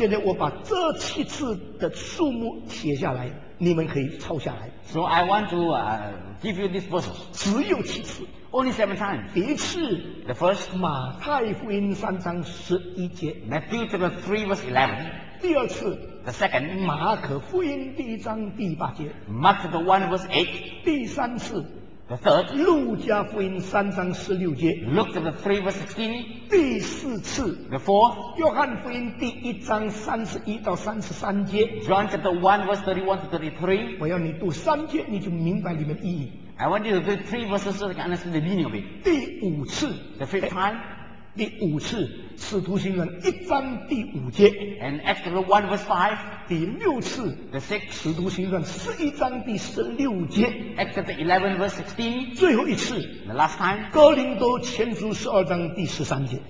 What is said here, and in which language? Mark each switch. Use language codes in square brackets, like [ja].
[zh] 现在我把这七次的数目写下来。你们可以抄下来。 [en] So I want to give you these verses. [zh] 只有七次 [en] ，only seven times. [zh] 第一次 [en] ，the first， [zh] 马太福音三章十一节 [en] ，Matthew chapter 3 verse 11。 [zh] 第二次 [en] ，the second， [zh] 马可福音第一章第八节 [en] ，Mark chapter 1 verse 8。 [zh] 第三次 [en] ，the third， [zh] 路加福音三章十六节 [en] ，Luke chapter 3 verse 16。 [zh] 第四次 [en] ，the fourth， [zh] 约翰福音第一章三十一到三十三节 [en] ，John chapter 1 verse 31 to 33。 [zh] 我要你读三节，你就明白里面意义。 [en] I want you to read three verses so you can understand the meaning of it. [zh] 第五次 [en] ，the fifth time， [zh] 第五次，使徒行传一章第五节 [en] ，and Acts chapter 1 verse 5。 [zh] 第六次 [en] ，the sixth， [zh] 使徒行传十一章第十六节 [en] ，Acts chapter 11 verse 16。 [zh] 最后一次 [en] ，the last time， [zh] 哥林多前书十二章第十三节